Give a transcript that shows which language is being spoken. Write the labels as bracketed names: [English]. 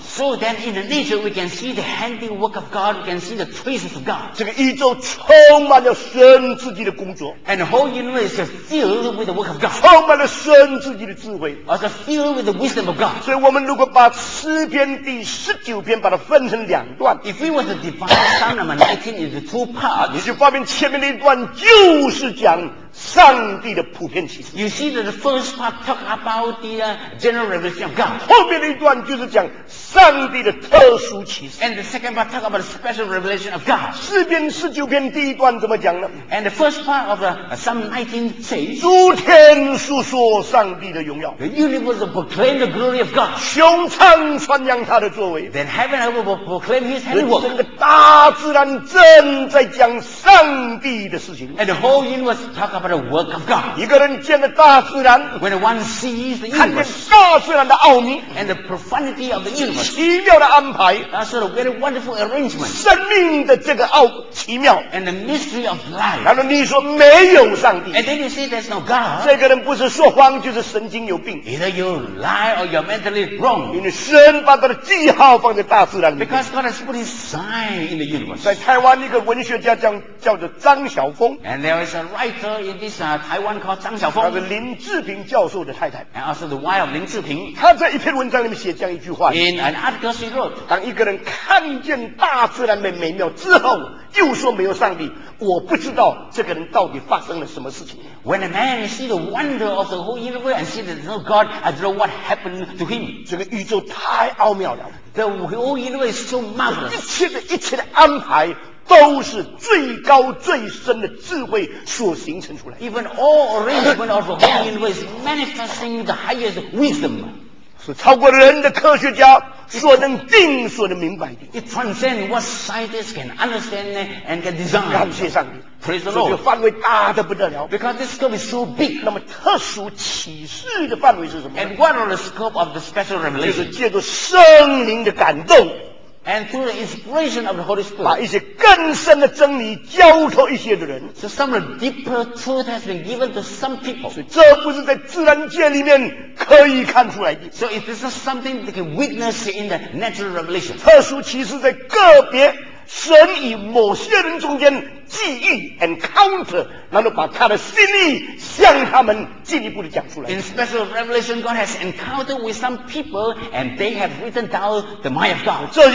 [English] So then, in the nature, we can see the handiwork of God. We can see the traces of God. [Chinese] 这个宇宙充满了神自己的工作。 [English] And the whole universe is filled with the work of God. [Chinese] 充满了神自己的智慧。 [English] Also filled with the wisdom of God. [Chinese] 所以我们如果把诗篇第十九篇把它分成两段 [English] ，If we were to divide Psalm number 19 into two parts, [Chinese] 你就发现前面那一段就是讲上帝的普遍启示。 [English] You see that the first part talk about the general revelation of God. [Chinese] 后面那一段就是讲上帝的特殊启示。 [English] And the second part talk about the special revelation of God. [Chinese] 诗篇十九篇第一段怎么讲呢 [English] ？And the first part of the Psalm 19 says, [Chinese] 诸天述说上帝的荣耀。 [English] The universe proclaim the glory of God. [Chinese] 穹苍传扬他的作为。 [English] Then heaven and earth proclaim his handiwork. [Chinese] 整个大自然正在讲上帝的事情。 [English] And the whole universe talk about the work of God. [Chinese] 一个人见了大自然, [English] when one sees the universe, and the profundity of the universe, [Chinese] 奇妙的安排, [English] that's a very wonderful arrangement, [Chinese] 生命的这个奥, [English] and the mystery of life. [Chinese] 然后你说没有上帝, [English] and then you say there's no God. [Chinese] 这个人不是说谎, 就是神经有病, [English] either you lie or you're mentally wrong. [Chinese] 因为神把他的记号放在大自然里面, [English] because God has put his sign in the universe. [Chinese] 在台湾一个文学家叫做张晓峰, [English] and there is a writer in this Taiwan called 张晓峰, [Chinese] 他是林志平教授的太太, [English] and also the wife of 林志平. [Chinese] 他在一篇文章里面写这样一句话, [English] in an article she wrote, [Chinese] 当一个人看见大自然的美妙之后, 又说没有上帝, 我不知道这个人到底发生了什么事情。 [English] When a man sees the wonder of the whole universe and sees there's no God, I don't know what happened to him. [Chinese] 这个宇宙太奥妙了。 [English] The whole universe is so marvelous. [Chinese] 一切的安排, 都是最高最深的智慧所形成出来。 [English] Even all arrangement of the whole universe manifesting the highest wisdom. [Chinese] 是超过人的科学家, 所能定, 所能明白的。 [English] It transcends what scientists can understand and can design. [Chinese] 感谢上帝。 [English] Praise the Lord. [Chinese] 所以范围大得不得了。 [English] Because this scope is so big. [Chinese] 那么特殊启示的范围是什么? [English] And what are the scope of the special revelation? [Chinese] 就是借助圣灵的感动。 [English] And through the inspiration of the Holy Spirit, [Chinese] 把一些更深的真理交托一些的人, [English] so some of the deeper truth has been given to some people. [Chinese] 所以这不是在自然界里面可以看出来的, [English] so if this is something they can witness in the natural revelation, [Chinese] 特殊其实在个别神与某些人中间记忆 encounter, 然后把他的心意向他们进一步的讲出来。 [English] In special revelation, God has encountered with some people and they have written down the mind of God.